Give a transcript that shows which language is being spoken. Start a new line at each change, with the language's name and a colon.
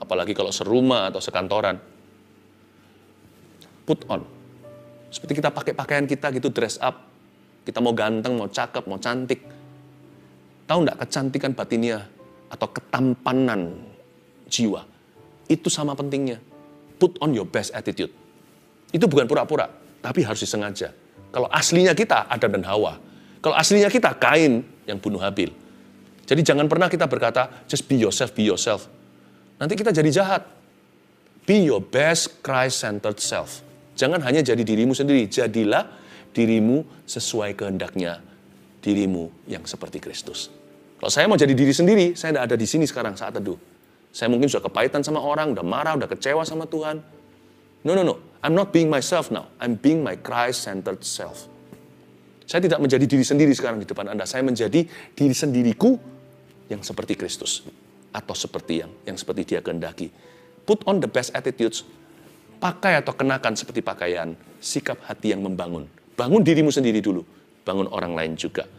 Indonesian: Apalagi kalau serumah atau sekantoran.
English: Put on.
Indonesian: Seperti kita pakai pakaian kita gitu,
English: dress up.
Indonesian: Kita mau ganteng, mau cakep, mau cantik. Tahu enggak kecantikan batinnya atau ketampanan jiwa. Itu sama pentingnya.
English: Put on your best attitude.
Indonesian: Itu bukan pura-pura, tapi harus disengaja. Kalau aslinya kita, Adam dan Hawa. Kalau aslinya kita, Kain yang bunuh Habil. Jadi jangan pernah kita berkata,
English: just be yourself.
Indonesian: Nanti kita jadi jahat.
English: Be your best Christ-centered self.
Indonesian: Jangan hanya jadi dirimu sendiri, jadilah dirimu sesuai kehendaknya, dirimu yang seperti Kristus. Kalau saya mau jadi diri sendiri, saya tidak ada di sini sekarang saat teduh. Saya mungkin sudah kepahitan sama orang, sudah marah, sudah kecewa sama Tuhan.
English: No. I'm not being myself now. I'm being my Christ-centered self.
Indonesian: Saya tidak menjadi diri sendiri sekarang di depan Anda. Saya menjadi diri sendiriku yang seperti Kristus. Atau seperti yang seperti dia kehendaki.
English: Put on the best attitudes.
Indonesian: Pakai atau kenakan seperti pakaian. Sikap hati yang membangun. Bangun dirimu sendiri dulu. Bangun orang lain juga.